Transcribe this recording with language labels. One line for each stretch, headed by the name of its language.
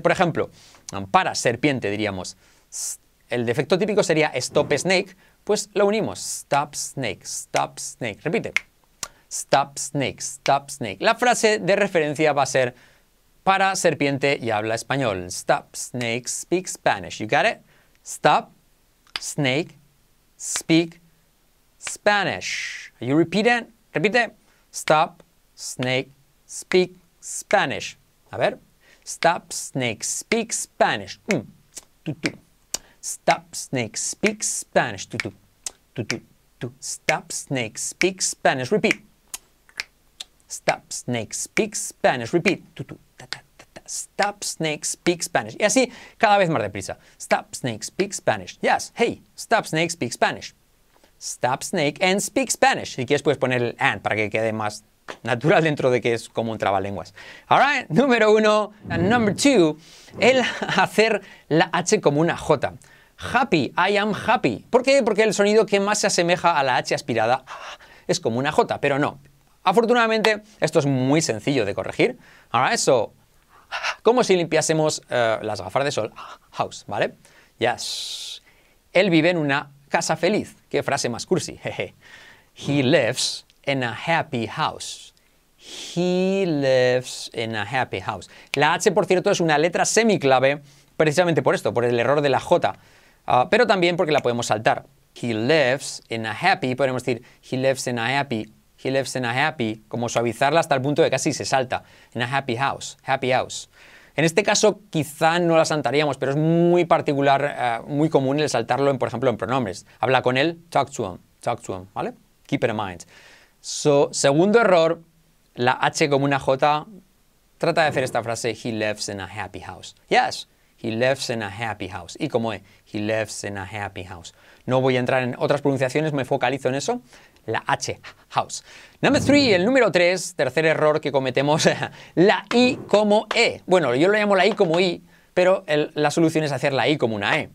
Spanish: Por ejemplo, para serpiente diríamos, el defecto típico sería stop snake, pues lo unimos,
English: stop snake, stop snake.
Spanish: Repite,
English: stop snake, stop snake.
Spanish: La frase de referencia va a ser para serpiente y habla español.
English: Stop snake, speak Spanish. You got it? Stop snake, speak Spanish. You repeat it?
Spanish: Repite,
English: stop snake, speak Spanish.
Spanish: A ver.
English: Stop, snake, speak Spanish. Tutu. Stop, snake, speak Spanish. Tutu. Tutu. Tutu. Stop, snake, speak Spanish. Repeat. Stop, snake, speak Spanish. Repeat. Tutu. Ta, ta, ta, ta. Stop, snake, speak Spanish.
Spanish: Y así, cada vez más deprisa.
English: Stop, snake, speak Spanish. Yes. Hey, stop, snake, speak Spanish. Stop, snake, and speak Spanish.
Spanish: Si quieres, puedes poner el and para que quede más natural dentro de que es como un trabalenguas.
English: All right,
Spanish: número uno.
English: And number two,
Spanish: el hacer la H como una J.
English: Happy, I am happy.
Spanish: ¿Por qué? Porque el sonido que más se asemeja a la H aspirada es como una J, pero no. Afortunadamente, esto es muy sencillo de corregir.
English: All right, so,
Spanish: como si limpiásemos las gafas de sol. House, ¿vale? Yes. Él vive en una casa feliz. Qué frase más cursi. Jeje.
English: He lives in a happy house. He lives in a happy house.
Spanish: La H, por cierto, es una letra semiclave precisamente por esto, por el error de la J. Pero también porque la podemos saltar.
English: He lives in a happy,
Spanish: podemos decir
English: he lives in a happy, he lives in a happy,
Spanish: como suavizarla hasta el punto de casi se salta.
English: In a happy house, happy house.
Spanish: En este caso, quizá no la saltaríamos, pero es muy particular, muy común el saltarlo, por ejemplo, en pronombres. Habla con él,
English: talk to him,
Spanish: ¿vale?
English: Keep it in mind. So,
Spanish: segundo error, la H como una J, trata de hacer esta frase,
English: he lives in a happy house. Yes, he lives in a happy house.
Spanish: ¿Y cómo es?
English: He lives in a happy house.
Spanish: No voy a entrar en otras pronunciaciones, me focalizo en eso. la H, house.
English: Number three,
Spanish: el número tres, tercer error que cometemos, la I como E. Bueno, yo lo llamo la I como I, pero la solución es hacer la I como una E.